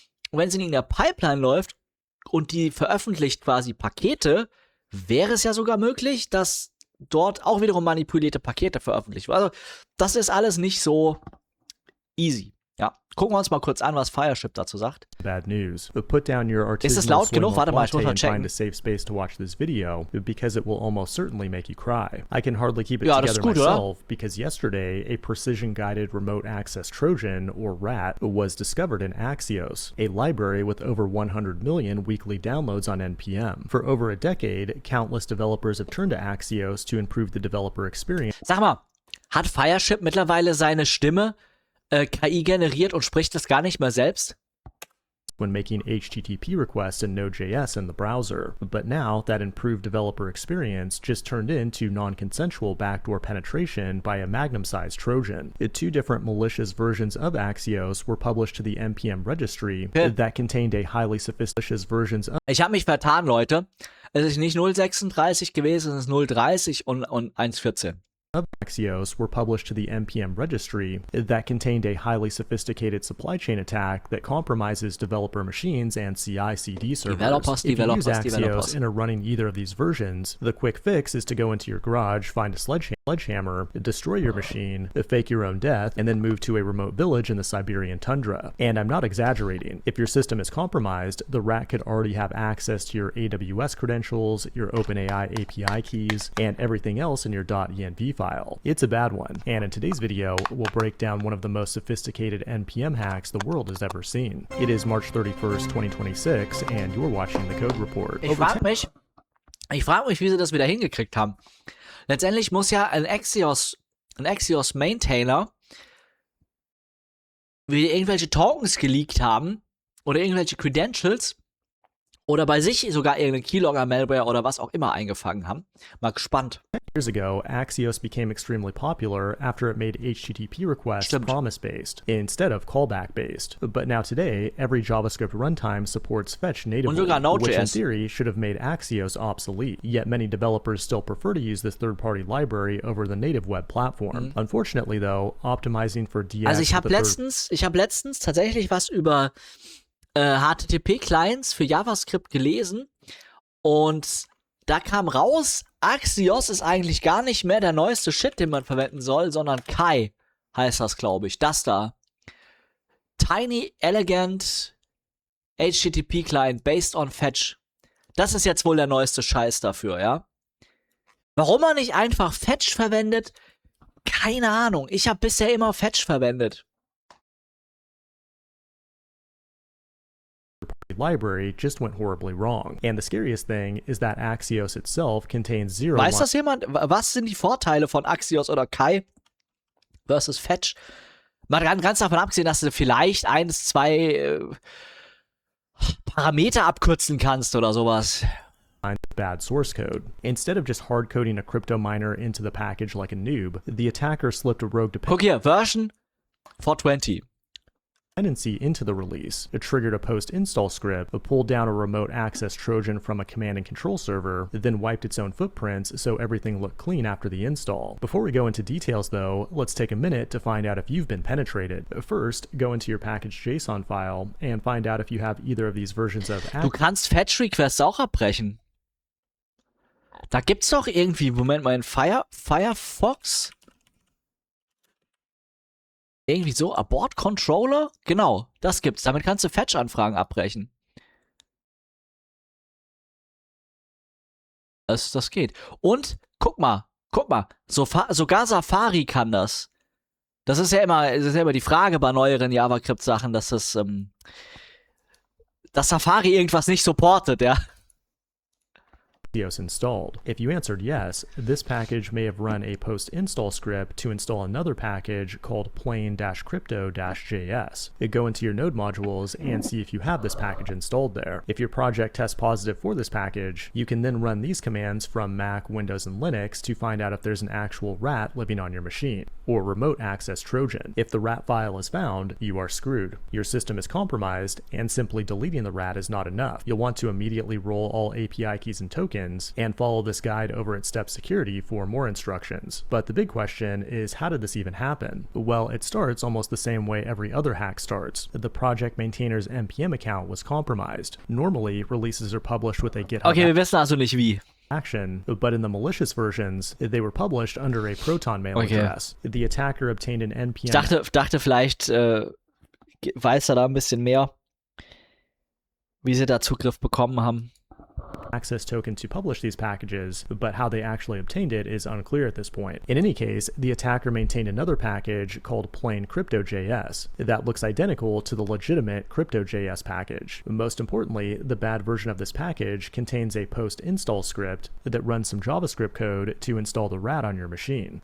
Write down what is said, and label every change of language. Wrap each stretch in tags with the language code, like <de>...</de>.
<de>Und wenn es in irgendeiner Pipeline läuft und die veröffentlicht quasi Pakete, wäre es ja sogar möglich, dass dort auch wiederum manipulierte Pakete veröffentlicht werden. Also, das ist alles nicht so easy. Ja, gucken wir uns mal kurz an, was Fireship dazu sagt.</de> <en>Bad news. But put down your artisanal</en> <de>swing. Ist es laut genug? Warte mal, ich muss mal checken.</de> <en>Find a safe space to watch this video because it will almost certainly make you cry. I can hardly keep it</en> <de>ja,</de> <en>together</en> <de>gut,</de> <en>myself</en> <de>oder?</de> <en>Because yesterday a precision guided remote access Trojan or RAT was discovered in Axios, a library with over 100 million weekly downloads on NPM. For over a decade, countless developers have turned to Axios to improve the developer experience.</en> <de>Sag mal, hat Fireship mittlerweile seine Stimme KI generiert und spricht das gar nicht mehr selbst?</de> <en>When making HTTP requests in Node.js in the browser. But now, that improved developer experience just turned into non-consensual backdoor penetration by a magnum-sized Trojan. Two different malicious versions of Axios were published to the NPM registry that contained a highly sophisticated versions of...</en> <de>Ich hab mich vertan, Leute. Es ist nicht 036 gewesen, es ist 030 und 114.</de> <en>Of Axios were published to the NPM registry that contained a highly sophisticated supply chain attack that compromises developer machines and CI/CD servers. If you use Axios in a running either of these versions, the quick fix is to go into your garage, find a sledgehammer, destroy your machine, fake your own death, and then move to a remote village in the Siberian tundra. And I'm not exaggerating. If your system is compromised, the RAT could already have access to your AWS credentials, your OpenAI API keys, and everything else in your .env file. It's a bad one. And in today's video, we'll break down one of the most sophisticated NPM hacks the world has ever seen. It is March 31st, 2026, and you're watching the Code Report.</en> <de>Ich frag mich, wie sie das wieder hingekriegt haben. Letztendlich muss ja ein Axios Maintainer, wie irgendwelche Tokens geleakt haben oder irgendwelche Credentials oder bei sich sogar irgendeine Keylogger Malware oder was auch immer eingefangen haben. Mal gespannt.</de> <en>Years ago, Axios became extremely popular after it made HTTP requests promise-based instead of callback-based. But now today, every JavaScript runtime supports fetch natively, which in theory should have made Axios obsolete. Yet many developers still prefer to use this third-party library over the native web platform. Mm-hmm. Unfortunately, though, optimizing for DX...</en> <de>Also ich habe letztens tatsächlich was über HTTP-Clients für JavaScript gelesen und da kam raus, Axios ist eigentlich gar nicht mehr der neueste Shit, den man verwenden soll, sondern Kai heißt das, glaube ich. Das da.</de> <en>Tiny Elegant HTTP Client based on Fetch.</en> <de>Das ist jetzt wohl der neueste Scheiß dafür, ja? Warum man nicht einfach Fetch verwendet? Keine Ahnung. Ich habe bisher immer Fetch verwendet.</de> <en>Library just went horribly wrong. And the scariest thing is that Axios itself contains zero...</en> <de>Weiß das jemand? Was sind die Vorteile von Axios oder Kai versus Fetch? Mal ganz davon abgesehen, dass du vielleicht eins, zwei Parameter abkürzen kannst oder sowas.</de> <en>Bad source code. Instead of just hard coding a crypto miner into the package like a noob, the attacker slipped a rogue...</en> <de>Guck hier, version 420.</de> <en>dependency into the release. It triggered a post-install script that pulled down a remote access Trojan from a command and control server, that then wiped its own footprints so everything looked clean after the install. Before we go into details though, let's take a minute to find out if you've been penetrated. First, go into your package JSON file and find out if you have either of these versions of</en> <de>Du kannst Fetch Requests auch abbrechen. Da gibt's doch irgendwie, Moment mal, in Firefox? Irgendwie so, Abort Controller? Genau, das gibt's. Damit kannst du Fetch-Anfragen abbrechen. Das geht. Und, guck mal, sogar Safari kann das. Das ist ja immer die Frage bei neueren JavaScript-Sachen, dass das, dass Safari irgendwas nicht supportet, ja.</de> <en>Installed. If you answered yes, this package may have run a post-install script to install another package called plain-crypto-js. Go into your node modules and see if you have this package installed there. If your project tests positive for this package, you can then run these commands from Mac, Windows, and Linux to find out if there's an actual rat living on your machine, or remote access Trojan. If the rat file is found, you are screwed. Your system is compromised, and simply deleting the rat is not enough. You'll want to immediately roll all API keys and tokens and follow this guide over at Step Security for more instructions. But the big question is, how did this even happen? Well, it starts almost the same way every other hack starts. The project maintainer's NPM account was compromised. Normally, releases are published with a GitHub.</en> <de>Okay, wir wissen also nicht wie.</de> <en>Action, but in the malicious versions, they were published under a Proton mail okay. address. The attacker obtained an NPM.</en> <de>Ich dachte vielleicht weiß er da ein bisschen mehr, wie sie da Zugriff bekommen haben.</de> <en>Access token to publish these packages, but how they actually obtained it is unclear at this point. In any case, the attacker maintained another package called plain crypto.js that looks identical to the legitimate crypto.js package. Most importantly, the bad version of this package contains a post-install script that runs some JavaScript code to install the rat on your machine.</en>